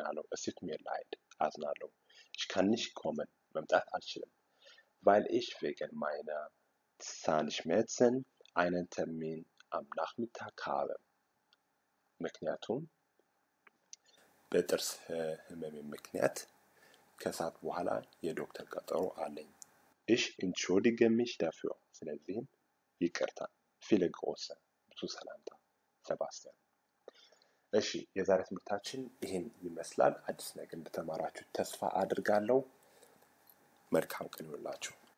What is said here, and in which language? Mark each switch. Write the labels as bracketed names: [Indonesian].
[German] Es tut mir leid, also ich kann nicht kommen, weil ich wegen meiner Zahnschmerzen einen Termin am Nachmittag habe. [Amharic] ምክንያቱም በጥርስ ህመሜ ምክንያት ምክንያት ከሰዓት በኋላ የዶክተር ቀጠሮ አለኝ። [German] ich entschuldige mich dafür [Amharic] ስለዚህ ይቅርታ [German] viele grüße zu salanta sebastian [Amharic] እሺ የዛሬ ትምህርታችን ይሄን ይመስላል አዲስ ነገር እንደተማራችሁ ተስፋ አድርጋለሁ መልካም ቀን ይሁንላችሁ